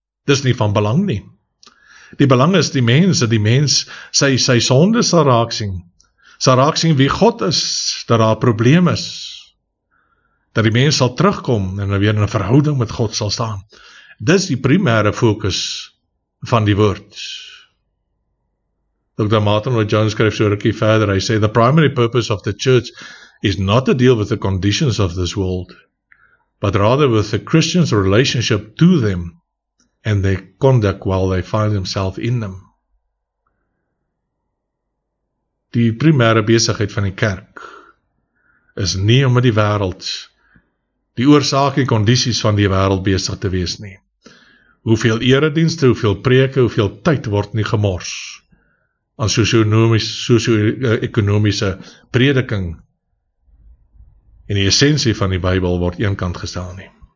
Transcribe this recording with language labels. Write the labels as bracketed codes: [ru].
[af] Dis nie van belang nie. Die belang is die mens, dat die mens sy sonde sal raaksien. Sal raaksien wie God is, dat daar probleem is. Dat die mens sal terugkom en weer in 'n verhouding met God sal staan. Dis die primêre fokus van die woord. Dr. [en] Martin Lloyd-Jones [af] skryf so rukkie verder, hy sê, [en] the primary purpose of the church is not to deal with the conditions of this world, but rather with the Christian's relationship to them, and they conduct while they find themselves in them. [af] Die primêre besigheid van die kerk is nie om met die wêreld, die oorsake en kondisies van die wêreld besig te wees nie. Hoeveel eredienste, hoeveel preke, hoeveel tyd word nie gemors aan sosio-ekonomiese prediking, en die essentie van die Bybel word eenkant gestel nie.